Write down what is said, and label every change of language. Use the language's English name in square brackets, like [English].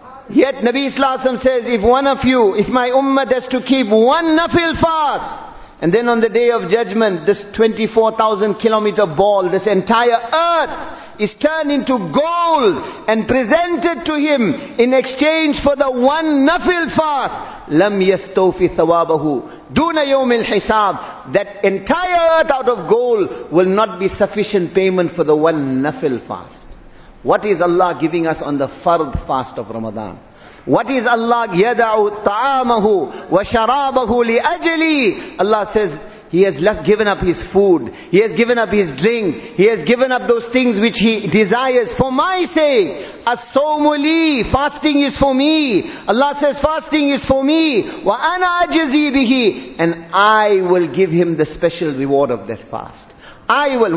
[English] Yet Nabi Sallallahu Alaihi Wasallam says, if one of you, if my ummah has to keep one nafil fast, and then on the day of judgment, this 24,000 kilometer ball, this entire earth is turned into gold and presented to him in exchange for the one nafil fast. [Arabic] لَمْ يَسْتَوْفِ ثَوَابَهُ دُونَ يَوْمِ الْحِسَابِ. [English] That entire earth out of gold will not be sufficient payment for the one nafil fast. What is Allah giving us on the fard fast of Ramadan? What is Allah [Arabic] يَدَعُ طَعَامَهُ وَشَرَابَهُ لِأَجْلِي. [English] Allah says, he has left, given up his food, he has given up his drink, he has given up those things which he desires for my sake. [Arabic] أَصَّوْمُ لِي. [English] Fasting is for me. Allah says, fasting is for me. [Arabic] وَأَنَا أَجْزِي بِهِ. [English] And I will give him the special reward of that fast. I will.